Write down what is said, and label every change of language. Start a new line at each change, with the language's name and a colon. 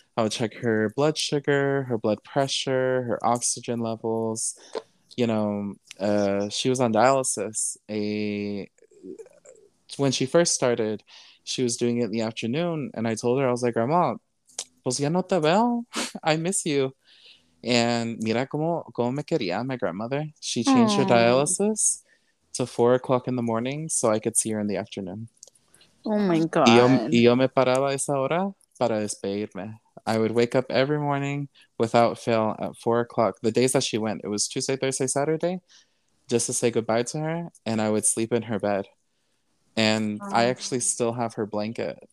English: I would check her blood sugar, her blood pressure, her oxygen levels. You know, she was on dialysis. When she first started, she was doing it in the afternoon. And I told her, I was like, Grandma,
Spanish: pues ya no te veo.
English: I miss you.
Spanish: And mira como me quería
English: my grandmother. She changed her dialysis to 4 o'clock in the morning so I could see her in the afternoon. Oh my God.
Spanish: Y yo me paraba esa hora para despedirme.
English: I would wake up every morning without fail at 4 o'clock. The days that she went, it was Tuesday, Thursday, Saturday, just to say goodbye to her. And I would sleep in her bed. And I actually still have her blanket